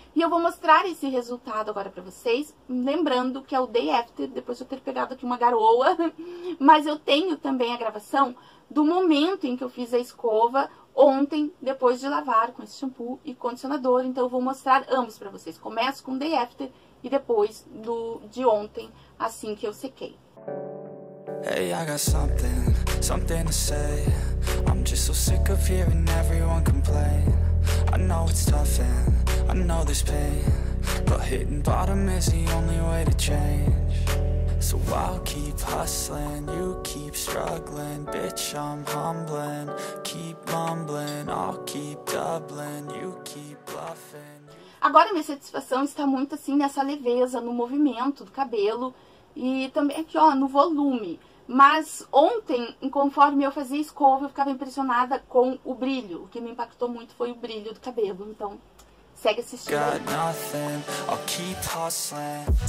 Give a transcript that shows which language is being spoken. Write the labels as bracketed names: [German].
[Portuguese] E eu vou mostrar esse resultado agora para vocês. Lembrando que é o day after, depois de eu ter pegado aqui uma garoa. Mas eu tenho também a gravação do momento em que eu fiz a escova ontem, depois de lavar com esse shampoo e condicionador. Então eu vou mostrar ambos para vocês. Começo com o day after e depois de ontem, assim que eu sequei. [English] Hey, I got something to say. I'm just so sick of hearing everyone complain. I know it's tough and I know there's pain, but hitting bottom is the only way to change. So I'll keep hustling, you keep struggling, bitch, I'm humbling, keep mumbling, I'll keep doubling, you keep bluffing. [Portuguese] Agora minha satisfação está muito assim nessa leveza, no movimento do cabelo e também aqui, ó, no volume. Mas ontem, conforme eu fazia escova, eu ficava impressionada com o brilho. O que me impactou muito foi o brilho do cabelo. Então, segue assistindo aí. [English] Got nothing, I'll keep hustling.